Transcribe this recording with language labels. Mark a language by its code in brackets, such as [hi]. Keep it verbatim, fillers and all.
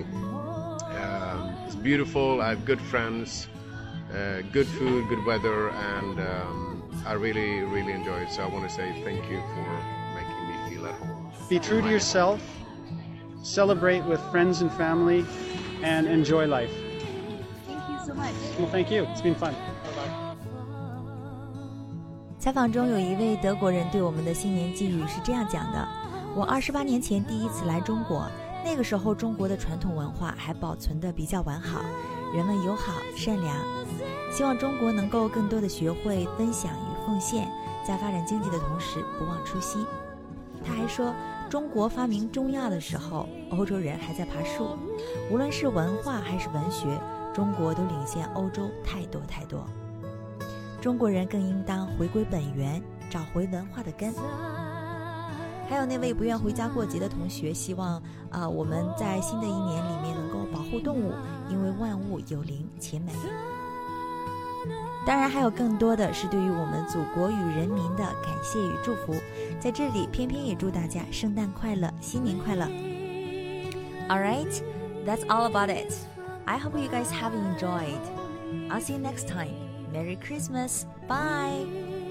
[en] Um, it's beautiful, I have good friends, uh, good food, good weather, and um, I really, really enjoy it. So I want to say thank you for making me feel at home. Be true to yourself, celebrate with friends and family, and enjoy life. Thank you so much. Well, thank you, it's been fun. [zh] 采访中有一位德国人对我们的新年寄语是这样讲的：我二十八年前第一次来中国，那个时候中国的传统文化还保存得比较完好，人们友好善良。希望中国能够更多的学会分享与奉献，在发展经济的同时不忘初心。他还说，中国发明中药的时候，欧洲人还在爬树。无论是文化还是文学，中国都领先欧洲太多太多。中国人更应当回归本源，找回文化的根。还有那位不愿回家过节的同学，希望、呃、我们在新的一年里面能够保护动物，因为万物有灵且美。当然还有更多的是对于我们祖国与人民的感谢与祝福，在这里偏偏也祝大家圣诞快乐，新年快乐。 [en] Alright, that's all about it. I hope you guys have enjoyed. I'll see you next time.Merry Christmas. Bye.